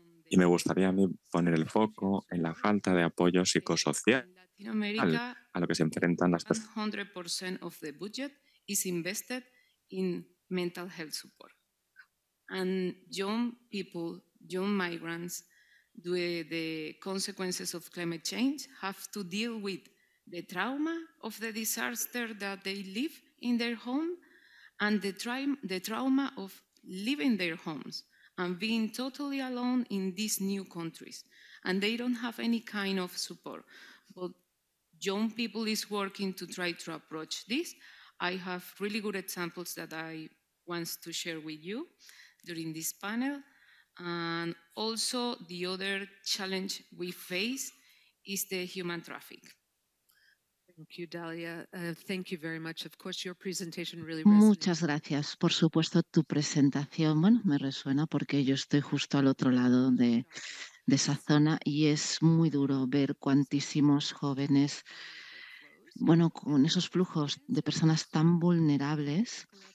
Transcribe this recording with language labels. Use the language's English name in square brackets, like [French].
[Spanish] Y me gustaría a mí poner el foco en la falta de apoyo psicosocial a lo que se enfrentan las personas. [English] 100% of the budget is invested in mental health support. And young people, young migrants, due to the consequences of climate change, have to deal with the trauma of the disaster that they live in their home and the trauma of leaving their homes and being totally alone in these new countries. And they don't have any kind of support. But young people is working to try to approach this. I have really good examples that I want to share with you during this panel. And also the other challenge we face is the human trafficking. Thank you, Dalia. Thank you very much. Of course, your presentation really resonates. [Spanish] Muchas gracias. Por supuesto, tu presentación, bueno, me resuena porque yo estoy justo al otro lado de esa zona y es muy duro ver cuantísimos jóvenes, bueno, con esos flujos de personas tan vulnerables.